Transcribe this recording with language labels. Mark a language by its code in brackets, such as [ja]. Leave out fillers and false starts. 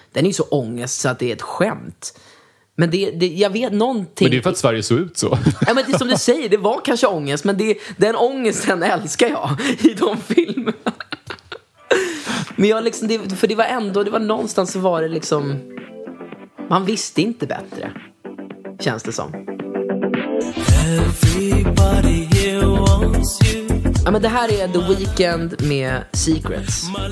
[sv] Den är ju så ångest så att det är ett skämt. Men det, jag vet någonting... Men det är för att Sverige såg ut så. Ja, men det, som du säger, det var kanske ångest. Men den ångesten älskar jag i de filmerna. Men jag liksom... Det var någonstans så var det liksom... Man visste inte bättre. Känns det som. [en] Everybody here wants you. [sv] Ja, men det här är The Weeknd med Secrets.